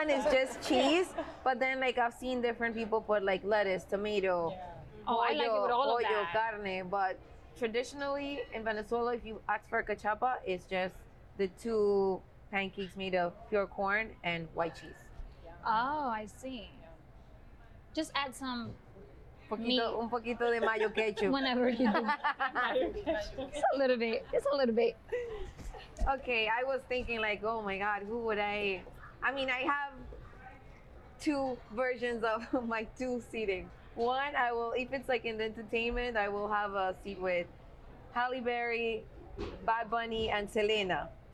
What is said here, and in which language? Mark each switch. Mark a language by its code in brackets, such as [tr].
[en] And it's just cheese, but then like I've seen different people put like lettuce, tomato, pollo, I like it with all [es] pollo, [en] of that. Carne, but traditionally in Venezuela, if you ask for a cachapa, it's just the two pancakes made of pure corn and white cheese. Oh, I see. Just add some [es] Un poquito de mayo ketchup. [en] Whenever you do. It's a little bit. It's a little bit. Okay, I was thinking like, oh my God, who would I? I mean, I have two versions of my two seating. One, I will, if it's like in the entertainment, I will have a seat with Halle Berry, Bad Bunny, and Selena.